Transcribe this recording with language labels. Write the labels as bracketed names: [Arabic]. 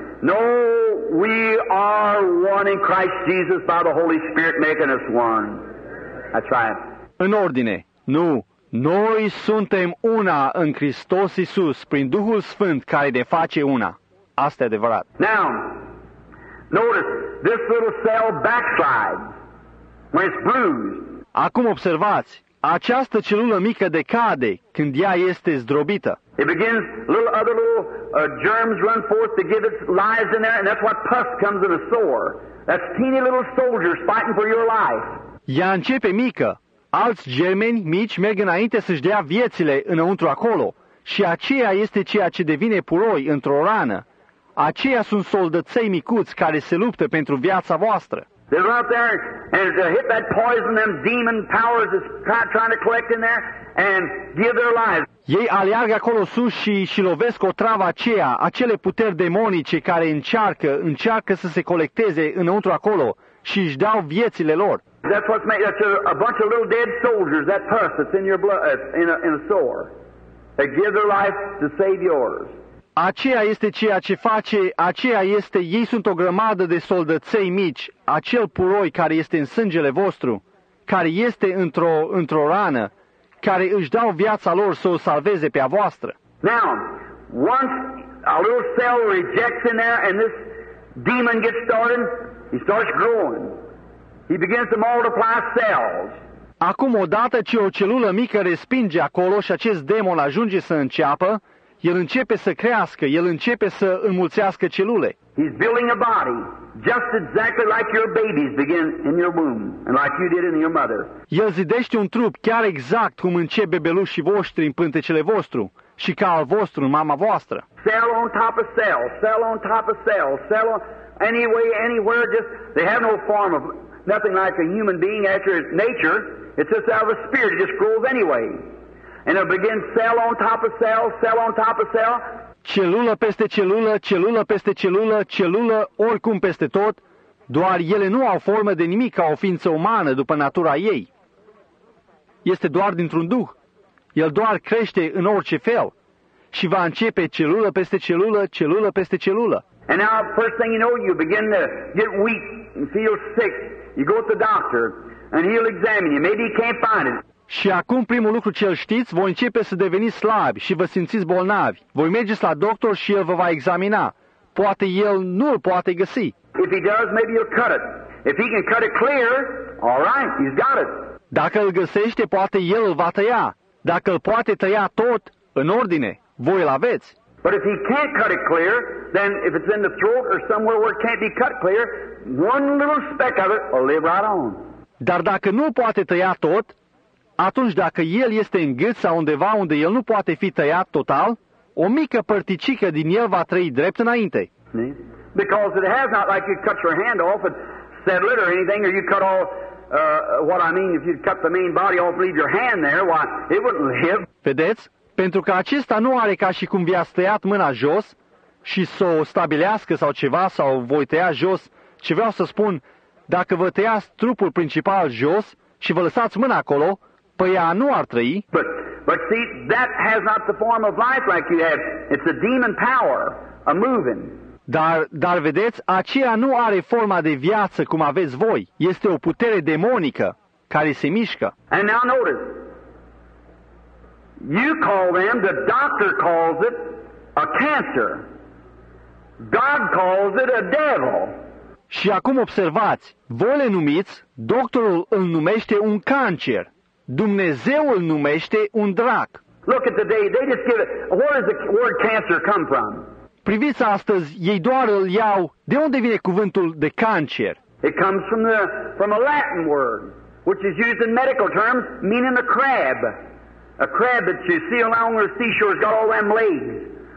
[English] No, we are one in Christ Jesus by the Holy Spirit making us one. That's right. [Romanian] În ordine, nu. Noi suntem una în Hristos Iisus, prin Duhul Sfânt care ne face una. Asta e adevărat. [English] Now, notice, this little cell backslides when it's bruised. [Romanian] Acum observați, această celulă mică decade când ea este zdrobită. [English] It begins, other little germs run forth to give its lives in there, and that's what pus comes in a sore. That's teeny little soldiers fighting for your life. [Romanian] Ea începe mică. Alți germeni mici merg înainte să-și dea viețile înăuntru acolo și aceea este ceea ce devine puroi într-o rană. Aceia sunt soldăței micuți care se luptă pentru viața voastră. [English] They're out there and they hit that poison, them demon powers is trying to collect in there and give their lives. [Romanian] Ei aleargă acolo sus și lovesc o travă aceea, acele puteri demonice care încearcă să se colecteze înăuntru acolo și își dau viețile lor. [English] That's what's made. That's a bunch of little dead soldiers. That pus that's in your blood, in a sore. They give their life to save yours. [Romanian] Aceea este ceea ce face, aceea este, ei sunt o grămadă de soldăței mici, acel puroi care este în sângele vostru, care este într-o rană, care își dau viața lor să o salveze pe a voastră. [English] Now, once a little cell rejects in there and this demon gets started, he starts growing. He begins to multiply cells. [Romanian] Acum, odată ce o celulă mică respinge acolo și acest demon ajunge să înceapă, el începe să crească, el începe să înmulțească celule. [English] He's building a body, just exactly like your babies begin in your womb, and like you did in your mother. [Romanian] El zidește un trup chiar exact cum încep bebelușii voștri în pântecele vostru și ca al vostru în mama voastră. [English] Cell on top of cell, cell on top of cell, cell on, any way, anywhere, just, they have no form of, nothing like a human being after its nature. It's just out of a spirit, it just grows anyway. And it begins cell on top of cell, cell on top of cell. [Romanian] Celulă peste celulă, celulă peste celulă, celulă oricum peste tot, doar ele nu au formă de nimic ca o ființă umană după natura ei. Este doar dintr-un duh. El doar crește în orice fel și va începe celulă peste celulă, celulă peste celulă. [English] And now, first thing you know, you begin to get weak and feel sick. You go to the doctor and he'll examine you. Maybe he can't find it. [Romanian] Și acum primul lucru ce îl știți, voi începe să deveniți slabi și vă simțiți bolnavi. Voi mergeți la doctor și el vă va examina. Poate el nu îl poate găsi. [English] If he does, maybe he'll cut it. If he can cut it clear, all right, he's got it. [Romanian] Dacă îl găsește, poate el îl va tăia. Dacă îl poate tăia tot, în ordine, voi îl aveți. [English] But if he can't cut it clear, then if it's in the throat or somewhere where it can't be cut clear, one little speck of it will live right on. [Romanian] Dar dacă nu poate tăia tot, atunci dacă el este în gât sau undeva unde el nu poate fi tăiat total, o mică părticică din el va trăi drept înainte. [English] Because it has not like you cut your hand off and settle it or anything, or you cut off, what I mean, if you cut the main body off, leave your hand there, why, it wouldn't live. [Romanian] Vedeți? Pentru că acesta nu are ca și cum vi-a tăiat mâna jos și să o stabilească sau ceva, sau voi tăia jos, ce vreau să spun, dacă vă tăiați trupul principal jos și vă lăsați mâna acolo, păi ea nu ar trăi. [English] But see, that has not the form of life like you have. It's a demon power, a moving. [Romanian] Dar vedeți, aceea nu are forma de viață cum aveți voi. Este o putere demonică care se mișcă. [English] And now notice, you call them, the doctor calls it a cancer. God calls it a devil. [Romanian] Și acum observați, voi le numiți, doctorul îl numește un cancer. Dumnezeu îl numește un drac. [English] Look at the day, they just give it. Where does the word cancer come from? [Romanian] Priviți astăzi, ei doar îl iau. De unde vine cuvântul de cancer? [English] It comes from a Latin word, which is used in medical terms, meaning a crab. A crab that you see along the seashore has got all them legs.